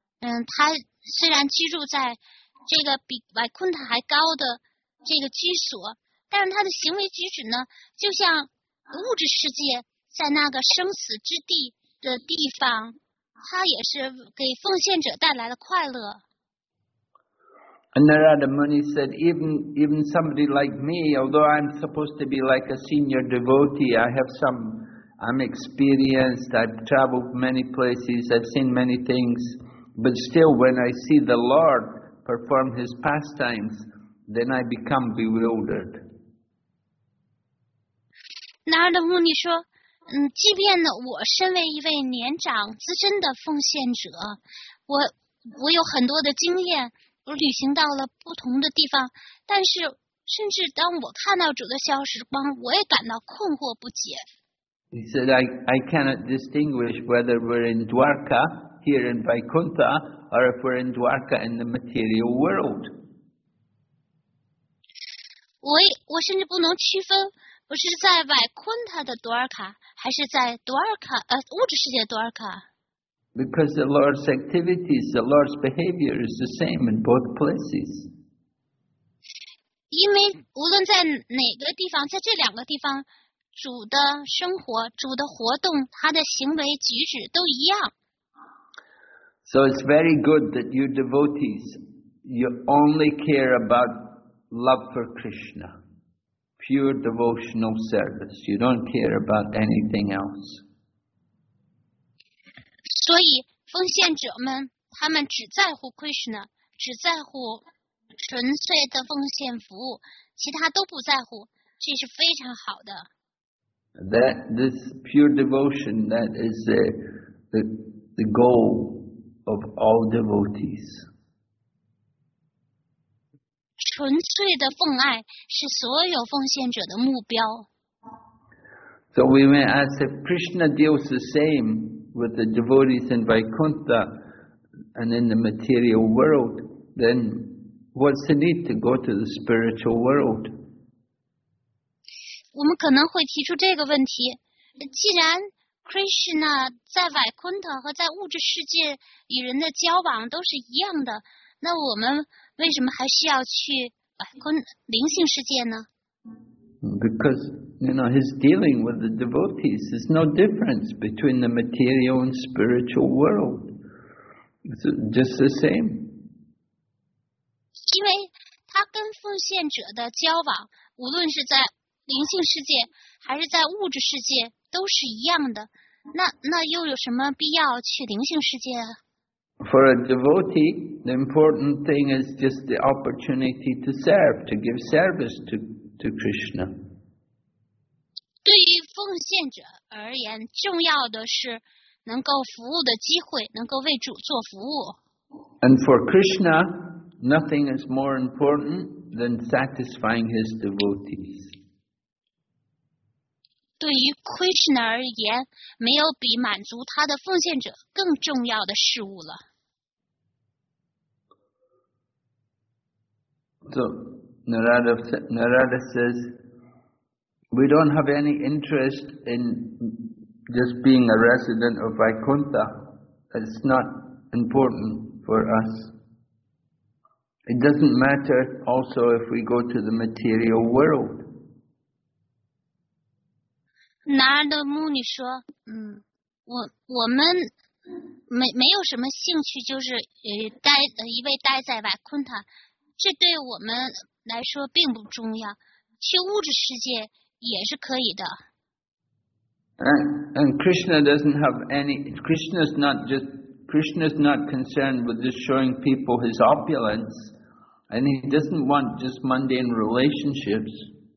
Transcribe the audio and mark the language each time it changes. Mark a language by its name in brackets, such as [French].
[Chinese] 他虽然居住在这个比维昆塔还高的这个居所，但是他的行为举止呢，就像物质世界在那个生死之地的地方，他也是给奉献者带来了快乐。 [English] And Narada Muni said, even somebody like me, although I'm supposed to be like a senior devotee, I'm experienced, I've traveled many places, I've seen many things, but still when I see the Lord perform his pastimes, then I become bewildered. [Chinese] Narada Muni 说，即便呢，我身为一位年长资深的奉献者，我有很多的经验，我旅行到了不同的地方，但是甚至当我看到主的逍遥时光，我也感到困惑不解。 [English] He said, I cannot distinguish whether we're in Dwarka, here in Vaikuntha, or if we're in Dwarka in the material world. [Chinese] 我甚至不能区分我是在外昆塔的多尔卡，还是在多尔卡物质世界多尔卡？ [English] Because the Lord's activities, the Lord's behavior is the same in both places. [Chinese] 因为无论在哪个地方，在这两个地方，主的生活、主的活动、他的行为举止都一样。 [English] So it's very good that you devotees, you only care about love for Krishna, pure devotional service. You don't care about anything else. [Chinese] 所以奉献者们，他们只在乎 Krishna, 只在乎纯粹的奉献服务，其他都不在乎，这是非常好的。 [English] That this pure devotion, that is the goal. Of all devotees. [Chinese] 纯粹的奉爱是所有奉献者的目标。 [English] So we may ask if Krishna deals the same with the devotees in Vaikuntha and in the material world, then what's the need to go to the spiritual world? [Chinese] 我们可能会提出这个问题，既然Krishna 在瓦昆特和在物质世界与人的交往都是一样的，那我们为什么还需要去灵性世界呢？ [English] Because, you know, his dealing with the devotees is no difference between the material and spiritual world. It's just the same. [Chinese] 因为他跟奉献者的交往，无论是在灵性世界还是在物质世界都是一样的，那又有什么必要去灵性世界啊？ [English] For a devotee, the important thing is just the opportunity to serve, to give service to Krishna. [Chinese] 对于奉献者而言，重要的是能够服务的机会，能够为主做服务。 [English] And for Krishna, nothing is more important than satisfying his devotees. [Chinese] 对于 Krishna 而言，没有比满足他的奉献者更重要的事物了。 [English] So Narada says, we don't have any interest in just being a resident of Vaikuntha. It's not important for us. It doesn't matter also if we go to the material world. [Chinese] 男人的牧女说，我们没有什么兴趣，就是待在瓦昆塔，这对我们来说并不重要，去物质世界也是可以的。 [English] And Krishna doesn't have any, Krishna's not concerned with just showing people his opulence, and he doesn't want just mundane relationships.